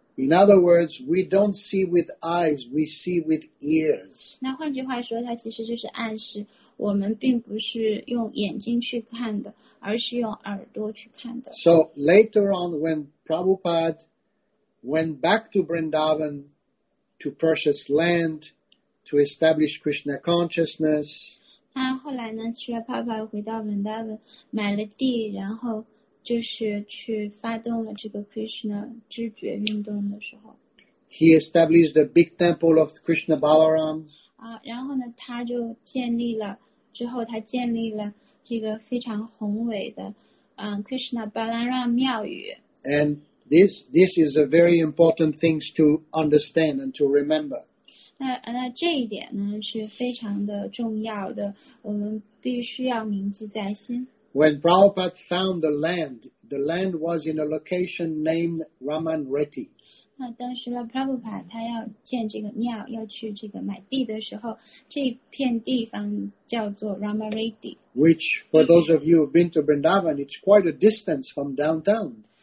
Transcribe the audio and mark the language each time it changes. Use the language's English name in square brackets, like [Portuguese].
[English] In other words, we don't see with eyes, we see with ears. [Chinese] 那换句话说，它其实就是暗示我们并不是用眼睛去看的，而是用耳朵去看的。 [English] So later on, when Prabhupada went back to Vrindavan to purchase land to establish Krishna consciousness, [Chinese] 他后来呢，去了 Prabhupada 回到 Vrindavan 买了地，然后。就是去发动了这个 Krishna 知觉运动的时候 [English] ，He established the big temple of Krishna Balaram. [Chinese] 然后呢，他就建立了，之后他建立了这个非常宏伟的，Krishna Balaram 庙宇。 [English] And this is a very important things to understand and to remember. [Chinese] 那这一点呢是非常的重要的，我们必须要铭记在心。 [English] When Prabhupada found the land was in a location named Raman Reti. [Chinese] 那当时呢 ，Prabhupada 他要建这个庙，要去这个买地的时候，这片地方叫做 Raman Reti. [English] Which, for those of you who've been to Vrindavan, it's quite a distance from downtown.